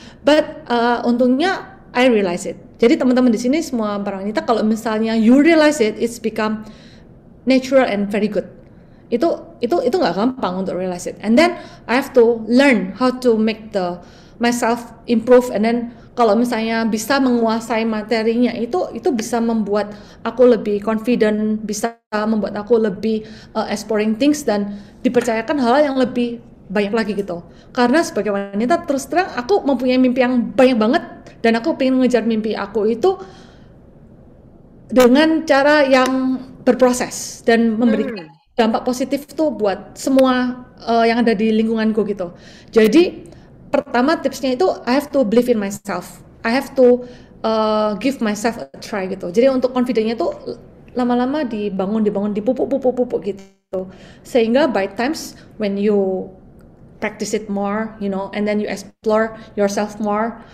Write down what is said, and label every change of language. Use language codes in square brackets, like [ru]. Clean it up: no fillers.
[en] But [id] untungnya [en] I realize it. [id] Jadi teman-teman di sini semua para wanita, kalau misalnya [en] you realize it, it's become natural and very good. [id] Itu nggak gampang untuk [en] realize it. And then I have to learn how to make the myself improve. [id] And then kalau misalnya bisa menguasai materinya, itu bisa membuat aku lebih confident, bisa membuat aku lebih [en] exploring things [id] dan dipercayakan hal yang lebih banyak lagi gitu. Karena sebagai wanita terus terang aku mempunyai mimpi yang banyak banget dan aku pengen ngejar mimpi aku itu dengan cara yang berproses dan memberikan dampak positif tuh buat semua yang ada di lingkungan gue gitu. Jadi pertama tipsnya itu [en] I have to believe in myself. I have to give myself a try gitu. [id] Jadi untuk confidence-nya tuh lama-lama dibangun, dipupuk gitu. [en] Sehingga by times when you practice it more, you know, and then you explore yourself more.